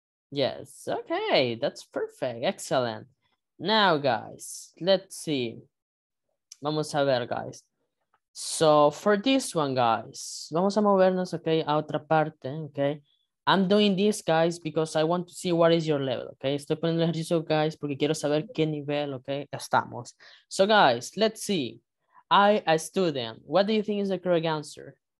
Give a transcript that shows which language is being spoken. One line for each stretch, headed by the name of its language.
English: Yes, okay, that's perfect, excellent. Now, guys, let's see.
Spanish: Vamos a ver, guys.
English: So, for this one,
Spanish: guys, vamos a movernos, okay, a otra parte, okay?
English: I'm doing this, guys, because I want to see what is your level, okay?
Spanish: Estoy poniendo el ejercicio, guys, porque quiero saber qué nivel, okay, estamos.
English: So, guys, let's see. I, a student, what do you think is the correct answer?